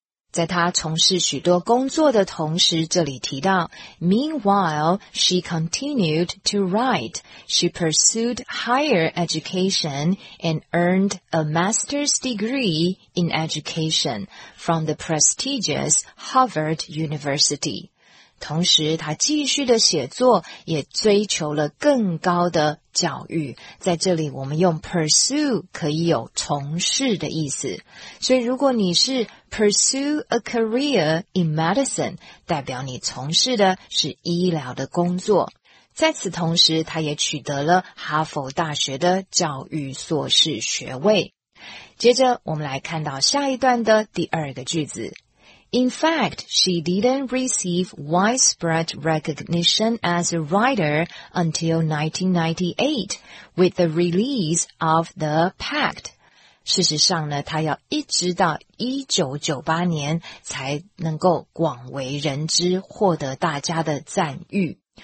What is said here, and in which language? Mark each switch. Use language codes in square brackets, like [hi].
[zh] 在她从事许多工作的同时，这里提到 [en] Meanwhile, she continued to write. She pursued higher education and earned a master's degree in education from the prestigious Harvard University. [zh] 同时他继续的写作也追求了更高的教育。在这里我们用 pursue 可以有从事的意思。所以如果你是 [en] pursue a career in medicine, [zh] 代表你从事的是医疗的工作。在此同时他也取得了哈佛大学的教育硕士学位。接着我们来看到下一段的第二个句子。 [en] In fact, she didn't receive widespread recognition as a writer until 1998 with the release of The Pact. [zh] 事实上呢，她要一直到1998年才能够广为人知，获得大家的赞誉。